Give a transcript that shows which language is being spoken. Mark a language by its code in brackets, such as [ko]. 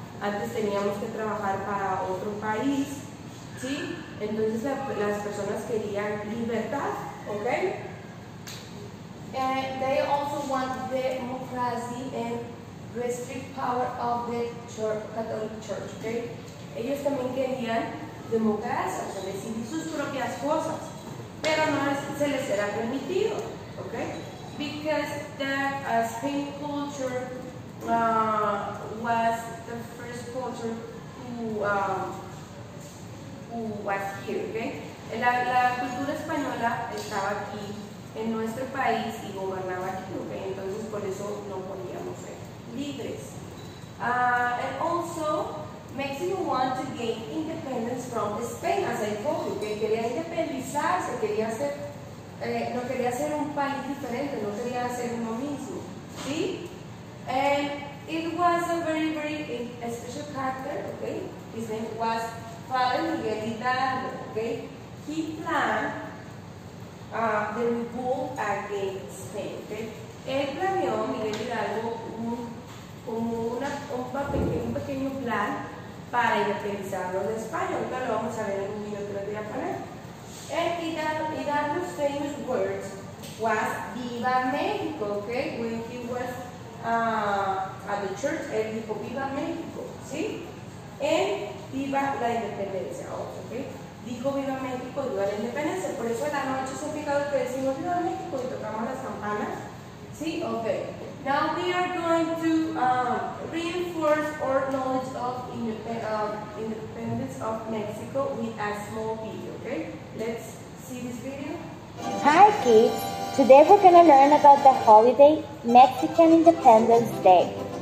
[es] Antes teníamos que trabajar para otro país, ¿sí? Entonces las personas querían libertad, okay? [en] And they also want democracy and restrict power of the church, Catholic Church, okay? [es] Ellos también querían democracia, o sea, decidir sus propias cosas, pero no se les era permitido, okay? [en] Because the Spain culture was the first culture who was here, okay? [es] La cultura española estaba aquí en nuestro país y gobernaba aquí, okay? Entonces por eso no podíamos ser libres. [en] And also, Mexico wanted to gain independence from Spain, as I told you, okay? [es] Quería independizarse, quería ser, no quería ser un país diferente, no quería ser uno mismo, ¿sí? [en] And it was a very, very a special character, okay? His name was Father Miguel Hidalgo, okay? He planned the revolt against Spain, okay? [es] Él planeó, Miguel Hidalgo, un pequeño plan para independizarlo de España. Ahorita lo vamos a ver en un minuto, lo voy a poner. [en] El Hidalgo's famous words was Viva México, okay? When he was at the church, [es] él dijo Viva México, ¿sí? Y Viva la Independencia, also, okay? Dijo Viva México, Viva la Independencia. Por eso en la noche se ha fijado que decimos Viva México y tocamos las campanas, ¿sí? Okay. [en] Now we are going to reinforce of independence of Mexico with a small video, okay? Let's see this video. Hi kids, today we're gonna learn about the holiday Mexican Independence Day.